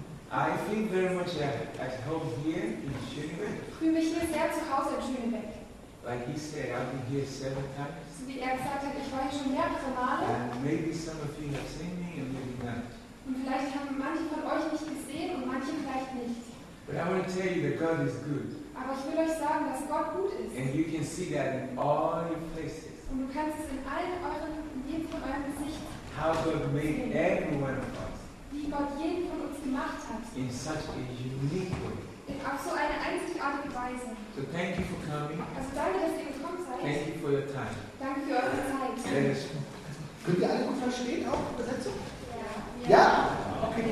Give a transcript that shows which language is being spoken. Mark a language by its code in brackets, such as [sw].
[en] I feel very much at home here in Schönebeck. [de] Ich fühle mich hier sehr zu Hause in Schönebeck. [en] Like he said, I've been here several times. [de] So wie er gesagt hat, ich war hier schon mehrere Male. [en] And maybe some of you have seen me and maybe not. [de] Und vielleicht haben manche von euch mich gesehen und manche vielleicht nicht. [en] But I want to tell you that God is good. [de] Aber ich will euch sagen, dass Gott gut ist. [en] And you can see that in all your faces. [de] Und du kannst es in allen euren, in jedem von eurem Gesicht sehen. [en] How God made every one of us. [de] Wie Gott jeden von uns gemacht hat. [en] In such a unique way. [de] Auf so eine einzigartige Weise. [en] So thank you for coming. [de] Also danke, dass ihr gekommen seid. [en] Thank you for your time. [de] Danke für eure Zeit. Könnt ihr alle gut verstehen auch Übersetzung? Ja. Ja. Okay.